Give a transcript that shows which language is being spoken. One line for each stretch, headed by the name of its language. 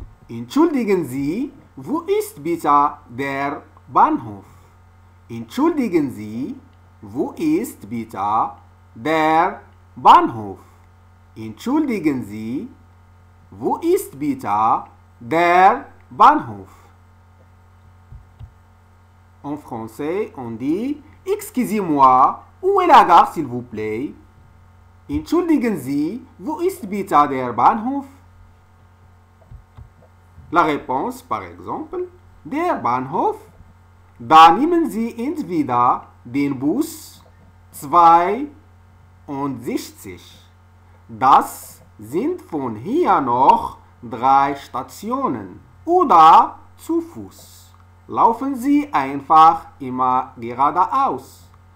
German: Entschuldigen Sie, wo ist bitte der Bahnhof? Entschuldigen Sie, wo ist bitte der Bahnhof? Entschuldigen Sie, wo ist bitte der Bahnhof?
French: En français, on dit Excusez-moi, où est la gare, s'il vous plaît? Entschuldigen Sie, wo ist bitte der Bahnhof? La réponse, par exemple,
German: der Bahnhof. Da nehmen Sie entweder den Bus 62. Das sind von hier noch drei Stationen. Oder zu Fuß. Laufen Sie einfach immer geradeaus.